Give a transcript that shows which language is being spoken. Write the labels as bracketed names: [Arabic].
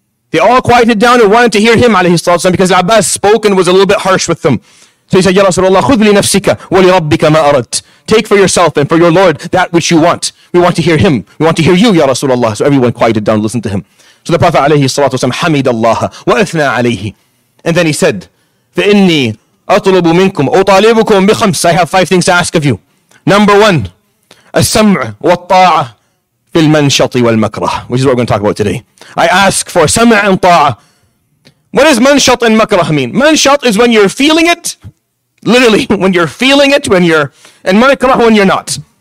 [English] They all quieted down and wanted to hear him, [Arabic] alayhi salatu wasalam, [English] because Abbas spoke and was a little bit harsh with them. So he said, [Arabic] Ya Rasulullah, khudh li nafsika wa li rabbika ma arat. [English] Take for yourself and for your Lord that which you want. We want to hear him. We want to hear you, Ya Rasulullah. So everyone quieted down and listened to him. So the Prophet, alayhi salatu wasalam, [Arabic] hamid Allah wa athna alayhi. [English] And then he said, [Arabic] فَإِنِّي أَطْلُبُ مِنْكُمْ أُطَالِبُكُمْ بِخَمْسِ. [English] I have 5 things to ask of you. Number one, [Arabic] السَّمْعُ وَالطَّاعَةُ فِي الْمَنْشَطِ وَالْمَكْرَهِ, [English] which is what we're going to talk about today. I ask for سَمْعُ and طَاعَةُ. What does manshat and makrah mean? Manshat is when you're feeling it, literally, when you're feeling it, when you're, and makrah when you're not.